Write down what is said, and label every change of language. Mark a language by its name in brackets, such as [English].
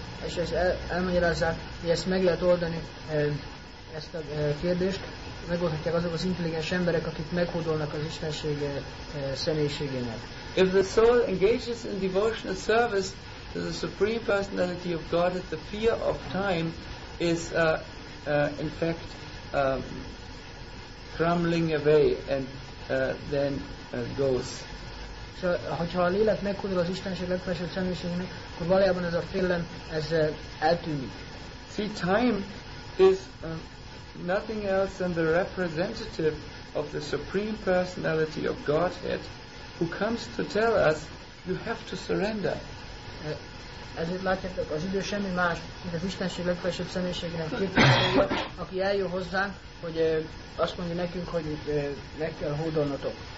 [Hungarian] És ez elmagyarázza, hogy ezt meg lehet oldani ezt a kérdést. Megoldhatják azok az intelligens emberek, akik meghódolnak az Istenség személyiségének. [English] If the soul engages in devotional service to the Supreme Personality of God, the fear of time is in fact crumbling away and then goes. [Hungarian] Szóval, hogyha a lélek meghódol az Istenség legfelsőbb személyiségének, akkor valójában ez a félelem ez eltűnik. [English] See, time is nothing else than the representative of the Supreme Personality of Godhead who comes to tell us you have to surrender. [Hungarian] Ez itt látjátok, az idő semmi más, mint az Istenség legfelsőbb személyiségének képviselője, aki eljön hozzánk, hogy azt mondja nekünk, hogy meg kell hódolnotok.